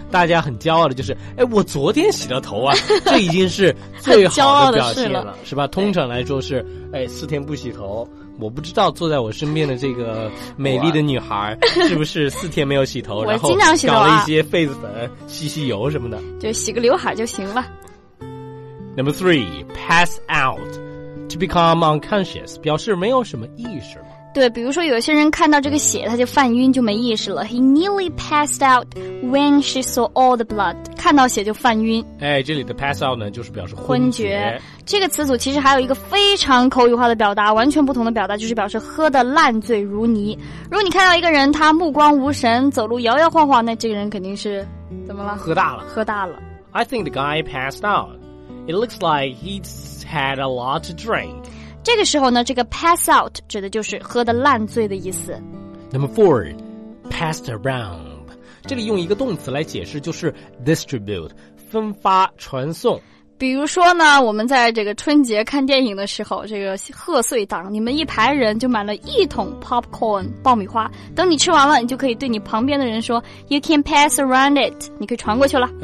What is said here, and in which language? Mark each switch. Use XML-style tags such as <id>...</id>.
<zh>大家很骄傲的就是，哎，我昨天洗了头啊，这已经是最好的表现了，是吧？通常来说是，哎，四天不洗头。我不知道坐在我身边的这个美丽的女孩是不是四天没有洗头，然后搞了一些痱子粉、吸吸油什么的，就洗个刘海就行了。</zh> <en>Number three， pass out， to become unconscious，</en> <zh>表示没有什么意识了。对，比如说有些人看到这个血他就犯晕就没意识了。</zh> <en>He nearly passed out when she saw all the blood，</en> <zh>看到血就犯晕。哎，这里的 pass out 呢就是表示昏厥。这个词组其实还有一个非常口语化的表达，完全不同的表达，就是表示喝得烂醉如泥。如果你看到一个人他目光无神，走路摇摇晃晃，那这个人肯定是怎么了？喝大了。</zh> <en>I think the guy passed out， it looks like he's had a lot to drink。</en> <zh>这个时候呢，这个 pass out 指的就是喝得烂醉的意思。</zh> <en>Number four， passed around，</en> <zh>这里用一个动词来解释，就是 distribute， 分发传送。比如说呢，我们在这个春节看电影的时候，这个贺岁档，你们一排人就买了一桶 popcorn 爆米花，等你吃完了，你就可以对你旁边的人说</zh> <en>you can pass around it，</en> <zh>你可以传过去了。</zh>